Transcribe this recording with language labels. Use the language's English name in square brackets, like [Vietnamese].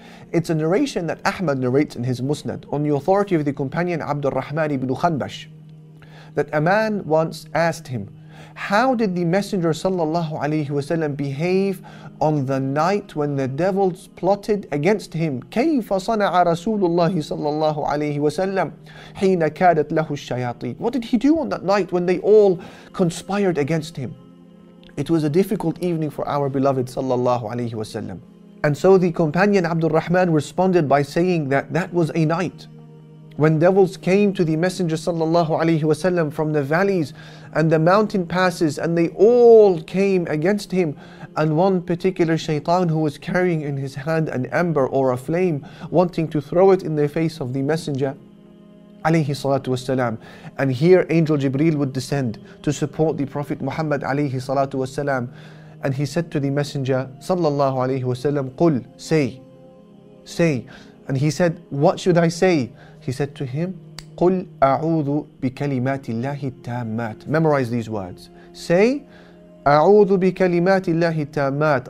[English] It's a narration that Ahmad narrates in his Musnad on the authority of the companion Abdul Rahman ibn Khanbash, that a man once asked him, how did the Messenger sallallahu alayhi wa sallam behave on the night when the devils plotted against him? [Arabic] كيف صنع رسول الله صلى الله عليه وسلم حين كادت له الشياطين? [English] What did he do on that night when they all conspired against him? It was a difficult evening for our beloved sallallahu alayhi wa sallam. And so the companion Abdul Rahman responded by saying that that was a night when devils came to the Messenger sallallahu alayhi wa sallam from the valleys and the mountain passes, and they all came against him. And one particular shaytan who was carrying in his hand an ember or a flame, wanting to throw it in the face of the Messenger alayhi salatu wasalam. And here Angel Jibreel would descend to support the Prophet Muhammad alayhi salatu wasalam. And he said to the Messenger sallallahu alayhi wasallam, قل, say. And he said, what should I say? He said to him, [Arabic] قل أعوذ بكلمات الله التامات. [English] Memorize these words. Say, [Arabic] أعوذ بكلمات الله التامات.